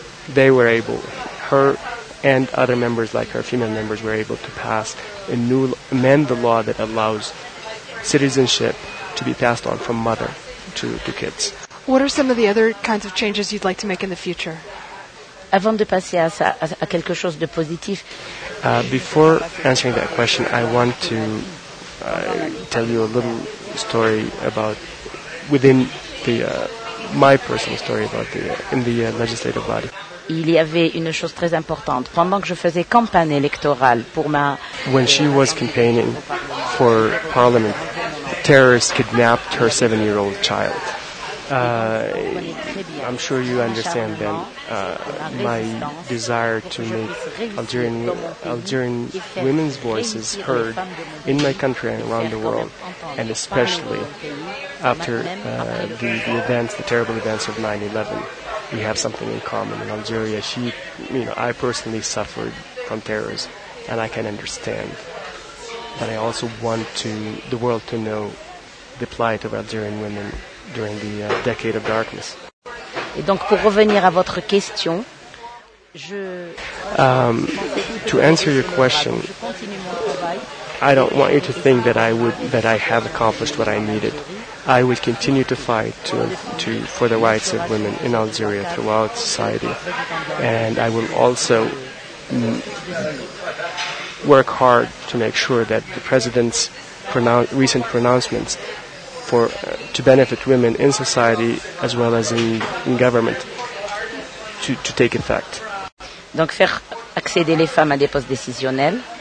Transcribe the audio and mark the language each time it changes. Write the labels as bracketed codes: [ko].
[en] They were able, her and other members like her, female members, were able to pass a new, amend the law that allows citizenship to be passed on from mother to kids. What are some of the other kinds of changes you'd like to make in the future? [fr] Avant de passer à quelque chose de positif. [en] Before answering that question, I want to tell you a little story about within the my personal story about the in the legislative body. [fr] Il y avait une chose très importante pendant que je faisais campagne électorale pour ma. [en] When she was campaigning for parliament, terrorists kidnapped her 7-year-old child. I'm sure you understand then my desire to make Algerian women's voices heard in my country and around the world, and especially after the events, the terrible events of 9/11, we have something in common in Algeria. I personally suffered from terrorism, and I can understand, but I also want the world to know the plight of Algerian women during the decade of darkness. [fr] Et donc pour revenir à votre question, je [en] to answer your question, I don't want you to think that I have accomplished what I needed. I would continue to fight for the rights of women in Algeria throughout society, and I will also work hard to make sure that the president's recent pronouncements for to benefit women in society as well as in government to take effect. [fr] Donc faire accéder les femmes à des postes décisionnels.